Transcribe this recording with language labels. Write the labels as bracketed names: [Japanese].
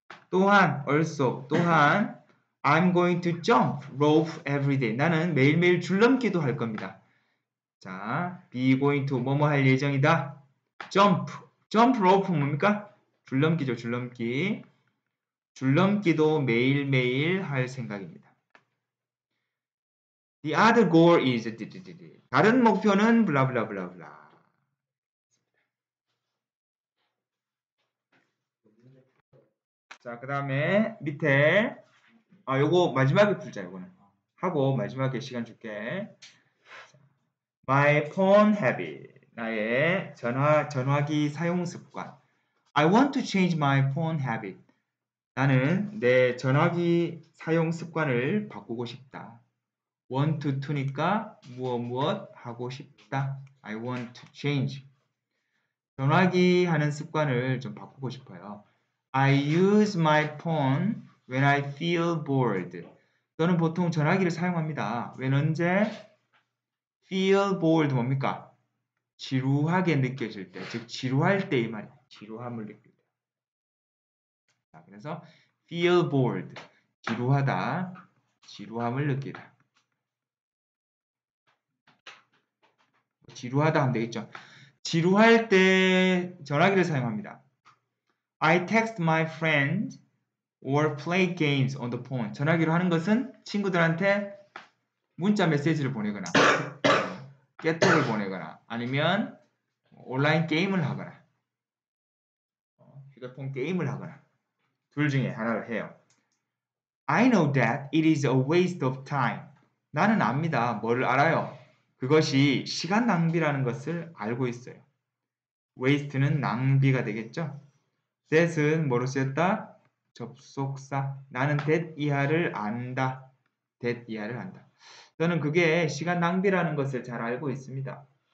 [English] 또한, also, 또한, I'm going to jump rope every day. [Korean] 나는 매일매일 줄넘기도 할 겁니다. 자, be going to 뭐뭐 할 예정이다. 점프 로프 뭡니까? 줄넘기죠, 줄넘기. 줄넘기도 매일매일 할 생각입니다. [English] The other goal is [Korean] 다른 목표는 블라블라블라블라. 자, 그 다음에 밑에 아, 요거 마지막에 풀자, 요거는. 하고 마지막에 시간 줄게. [English] My phone habit. [Korean] 나의 전화기 사용 습관. [English] I want to change my phone habit. [Korean] 나는 내 전화기 사용 습관을 바꾸고 싶다. Want to니까 무엇 하고 싶다. [English] I want to change. [Korean] 전화기 하는 습관을 좀 바꾸고 싶어요. [English] I use my phone when I feel bored. [Korean] 저는 보통 전화기를 사용합니다. [English] When 언제? Feel bored 뭡니까? [Korean] 지루하게 느껴질 때, 즉 지루할 때이 말이야. 지루함을 느낄 때. 자, 그래서 feel bored, 지루하다, 지루함을 느끼다. 지루하다 하면 되겠죠. 지루할 때 전화기를 사용합니다. [English] I text my friend or play games on the phone. [Korean] 전화기로 하는 것은 친구들한테 문자 메시지를 보내거나 깨톡을 보내거나 아니면 온라인 게임을 하거나 휴대폰 게임을 하거나 둘 중에 하나를 해요. [English] I know that it is a waste of time. [Korean] 나는 압니다. 뭘 알아요? 그것이 시간 낭비라는 것을 알고 있어요. Waste는 낭비가 되겠죠? That은 뭐로 쓰였다? 접속사. 나는 that 이하를 안다. That 이하를 안다. 저는 그게 시간 낭비라는 것을 잘 알고 있습니다.